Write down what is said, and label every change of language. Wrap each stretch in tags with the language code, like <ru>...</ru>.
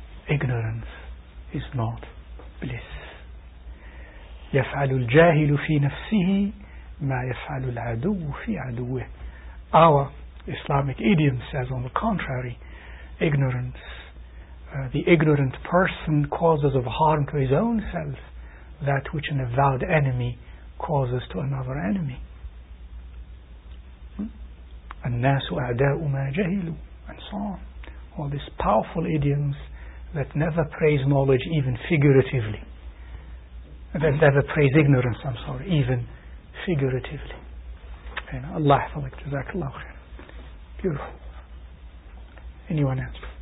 <en>Ignorance is not bliss.</en> <ar>يَفْعَلُ الْجَاهِلُ فِي نَفْسِهِ مَا يَفْعَلُ الْعَدُوُّ فِي عَدُوِّهِ.</ar> <en>Our Islamic idiom says, on the contrary, ignorance, the ignorant person causes of harm to his own self that which an avowed enemy causes to another enemy.</en> <ar>النَّاسُ أَعْدَاءُ مَا جَهِلُ,</ar> <en>and so on. All these powerful idioms that never praise knowledge even figuratively, that never praise ignorance, I'm sorry, even figuratively. And Allah Hafalik, Jazakallah khair. Beautiful. Anyone else?</en>